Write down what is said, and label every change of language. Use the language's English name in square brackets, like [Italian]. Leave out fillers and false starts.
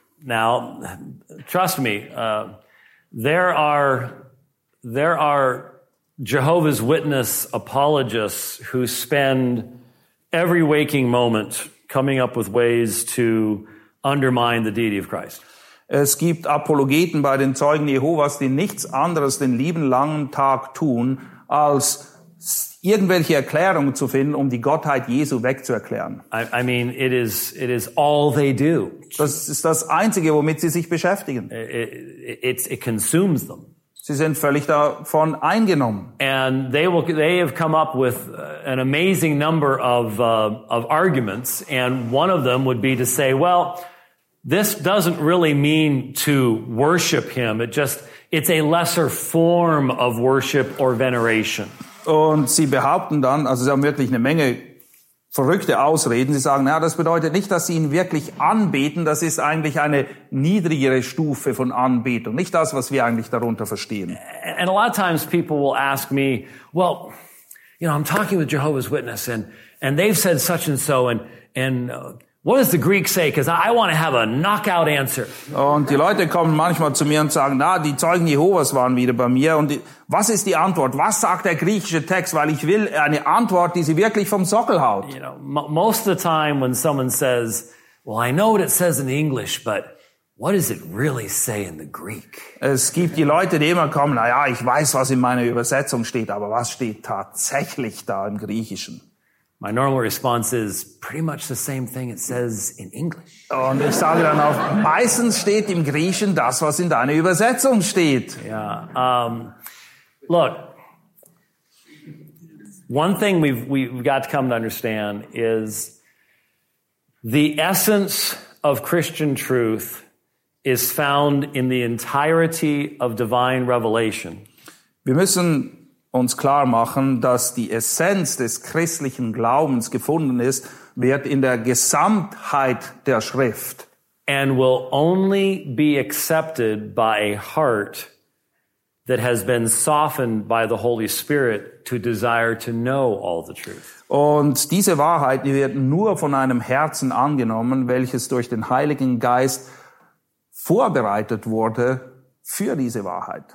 [English] Now, trust me, there are Jehovah's Witness apologists who spend every waking moment coming up with ways to undermine the deity of Christ. [German] Es gibt Apologeten bei den Zeugen Jehovas, die nichts anderes den lieben langen Tag tun, als irgendwelche Erklärungen zu finden, um die Gottheit Jesu wegzuerklären. [English] I mean, it is all they do. [German] Das ist das Einzige, womit sie sich beschäftigen. [English] It consumes them. [German] Sie sind völlig davon eingenommen. [English] And they have come up with an amazing number of arguments, and one of them would be to say, well, this doesn't really mean to worship him. It's a lesser form of worship or veneration. [German] Und sie behaupten dann, also sie haben wirklich eine Menge verrückte Ausreden. Sie sagen, das bedeutet nicht, dass sie ihn wirklich anbeten. Das ist eigentlich eine niedrigere Stufe von Anbetung. Nicht das, was wir eigentlich darunter verstehen. [English] And a lot of times people will ask me, well, you know, I'm talking with Jehovah's Witness and they've said such and so and what does the Greek say? Because I want to have a knockout answer. [German] Und die Leute kommen manchmal zu mir und sagen, die Zeugen Jehovas waren wieder bei mir. Und was ist die Antwort? Was sagt der griechische Text? Weil ich will eine Antwort, die sie wirklich vom Sockel haut. [English] You know, most of the time when someone says, well, I know what it says in English, but what does it really say in the Greek? [German] Es gibt die Leute, die immer kommen, ich weiß, was in meiner Übersetzung steht, aber was steht tatsächlich da im Griechischen? [English] My normal response is pretty much the same thing it says in English. [German] Und ich sage dann auch, meistens steht im Griechischen das, was in deiner Übersetzung steht. [English] Yeah. Look, one thing we've got to come to understand is the essence of Christian truth is found in the entirety of divine revelation. [German] Wir müssen uns klar machen, dass die Essenz des christlichen Glaubens gefunden ist, wird in der Gesamtheit der Schrift. [English] And will only be accepted by a heart that has been softened by the Holy Spirit to desire to know all the truth. [German] Und diese Wahrheit wird nur von einem Herzen angenommen, welches durch den Heiligen Geist vorbereitet wurde für diese Wahrheit.